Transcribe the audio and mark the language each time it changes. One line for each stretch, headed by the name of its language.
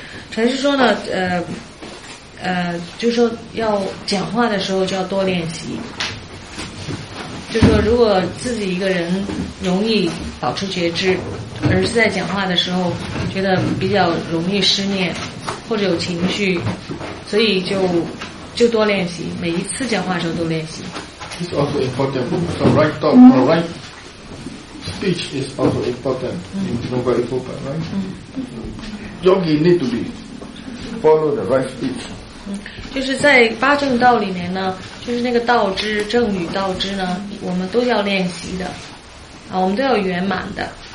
Chinese: 陈师说呢, 就说要讲话的时候就要多练习，就说如果自己一个人容易保持觉知，而是在讲话的时候觉得比较容易失念或者有情绪，所以就多练习，每一次讲话的时候都练习。
English: It's also important the right talk, the right speech is also important in nobody open, right? Yogi need to be follow the right speech.
Chinese: 就是在八正道里面呢，就是那个道之正与道之呢，我们都要练习的啊，我们都要圆满的。